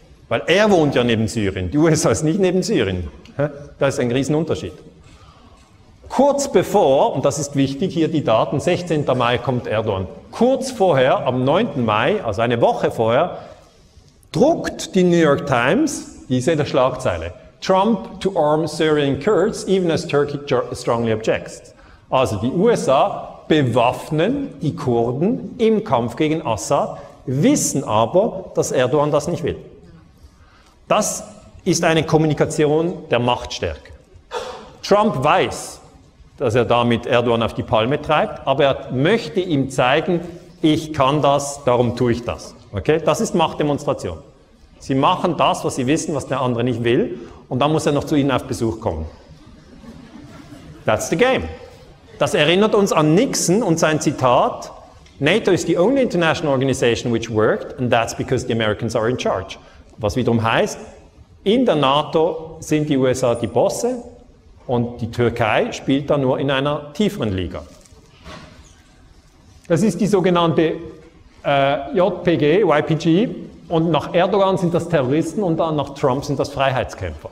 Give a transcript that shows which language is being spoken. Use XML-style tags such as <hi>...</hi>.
<de>Weil er wohnt ja neben Syrien, die USA ist nicht neben Syrien. Da ist ein Riesenunterschied. Kurz bevor, und das ist wichtig, hier die Daten, 16. Mai kommt Erdogan. Kurz vorher, am 9. Mai, also eine Woche vorher, druckt die New York Times diese Schlagzeile.</de> <en>Trump to arm Syrian Kurds, even as Turkey strongly objects.</en> <de>Also die USA bewaffnen die Kurden im Kampf gegen Assad, wissen aber, dass Erdogan das nicht will. Das ist eine Kommunikation der Machtstärke. Trump weiß, dass er damit Erdogan auf die Palme treibt, aber er möchte ihm zeigen, ich kann das, darum tue ich das. Okay? Das ist Machtdemonstration. Sie machen das, was sie wissen, was der andere nicht will, und dann muss er noch zu ihnen auf Besuch kommen.</de> <en>That's the game.</en> <de>Das erinnert uns an Nixon und sein Zitat,</de> <en>NATO is the only international organization which worked, and that's because the Americans are in charge.</en> <de>Was wiederum heißt, in der NATO sind die USA die Bosse, und die Türkei spielt da nur in einer tieferen Liga. Das ist die sogenannte JPG, YPG. Und nach Erdogan sind das Terroristen und dann nach Trump sind das Freiheitskämpfer.</de>